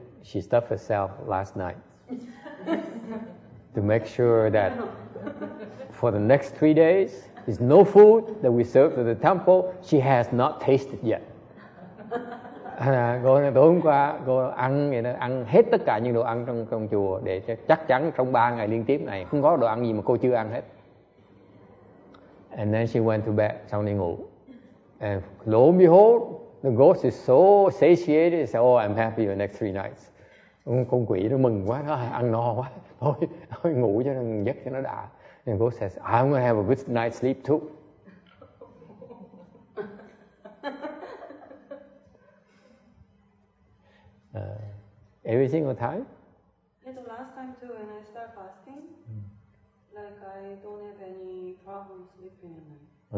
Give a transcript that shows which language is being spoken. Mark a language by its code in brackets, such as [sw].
[en] She stuffed herself last night to make sure that for the next 3 days is no food that we serve to the temple she has not tasted yet. [vi] Cô tối hôm qua cô ăn vậy đó, ăn hết tất cả những đồ ăn trong chùa để chắc chắn trong 3 ngày liên tiếp này không có đồ ăn gì mà cô chưa ăn hết. [en] And then she went to bed, [vi] xong đi ngủ. [en] And lo and behold, the ghost is so satiated, said, oh, I'm happy for the next 3 nights. [vi] Con quỷ nó mừng quá, nó ăn no quá. Thôi ngủ cho nó giấc cho nó đã. [en] And the ghost says, I'm going to have a good night's sleep too. Every single time? Yeah, the last time too, when I start fasting, like I don't have any problem sleeping at night.